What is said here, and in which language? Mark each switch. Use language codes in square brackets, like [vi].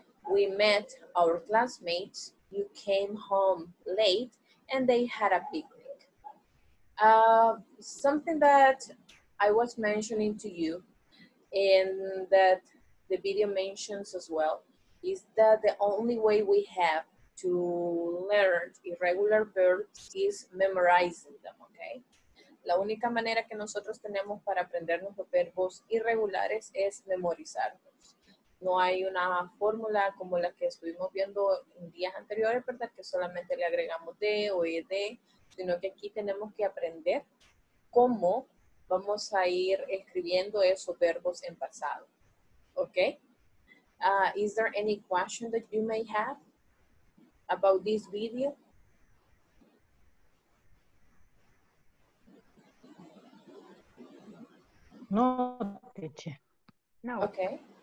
[en] We met our classmates. You came home late and they had a picnic. Something that I was mentioning to you and that the video mentions as well is that the only way we have to learn irregular verbs is memorizing them, okay? [es] La única manera que nosotros tenemos para aprendernos los verbos irregulares es memorizarlos. No hay una fórmula como la que estuvimos viendo en días anteriores, ¿verdad? Que solamente le agregamos de o ed, sino que aquí tenemos que aprender cómo vamos a ir escribiendo esos verbos en pasado. [en] Okay? Is there any question that you may have about this video? No, teacher. No. Okay.